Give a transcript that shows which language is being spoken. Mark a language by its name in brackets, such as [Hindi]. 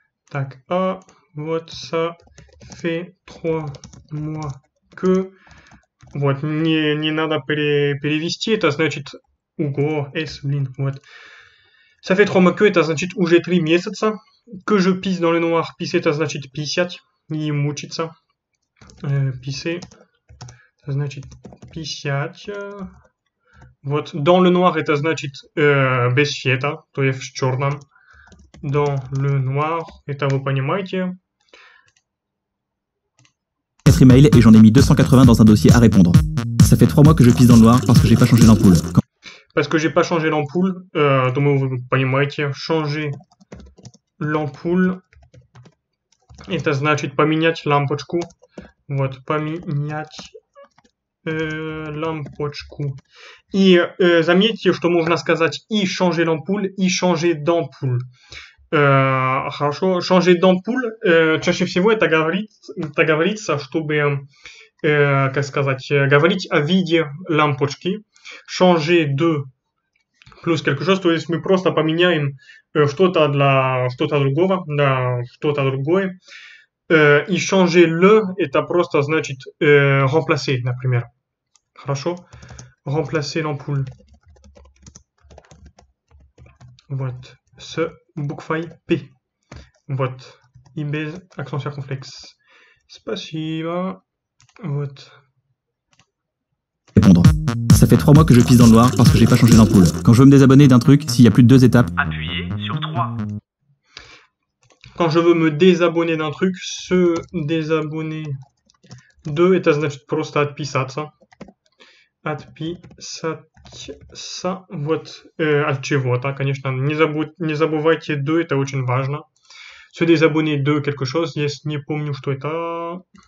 [Russian] Так, а вот [French] ça fait 3 mois que... [Russian] Вот, не надо перевести, это значит... Уго, эс, блин, вот. [French] Ça fait 3 mois que, [Russian] это значит уже 3 месяца. [French] Que je pisse dans le noir, pisser, [Russian] это значит писать. И мучиться. Писser, это значит... Писать. Вот, [French] dans le noir, [Russian] это значит без света, то есть в черном. [French] Dans le noir, [Russian] это вы понимаете. [French] 4 emails, et j'en ai mis 280 dans un dossier à répondre. Ça fait 3 mois que je pisse dans le noir, parce que j'ai pas changé l'ampoule. Parce que j'ai pas changé l'ampoule, donc vous понимаете, changer l'ampoule, [Russian] это значит поменять лампочку. Вот, поменять... лампочку. И заметьте, что можно сказать и [French] changer l'ampoule, [Russian] и [French] changer d'ampoule. [Russian] Хорошо. [French] Changer d'ampoule, [Russian] чаще всего это говорится, чтобы как сказать, говорить о виде лампочки. Changer de плюс [French] quelque chose, [Russian] то есть мы просто поменяем что-то для что-то другого, на что-то другое. И changer le, это просто значит remplacer, например. [French] Хорошо. Remplacer l'ampoule. [Russian] Вот. С буквой P. Вот. И без акцента circonflexe. Спасибо. Вот. [French] Répondre. Ça fait 3 mois que je pisse dans le noir parce que j'ai pas changé d'ampoule. Quand je veux me désabonner d'un truc, s'il y a plus de 2 étapes... Appuyez sur 3. Quand je veux me désabonner d'un truc, se désabonner 2 est un [Russian] просто отписаться. Отписаться, вот, от чего-то, конечно, не забывайте de, это очень важно. [French] Se désabonner de quelque chose, [Russian] если не помню, что это...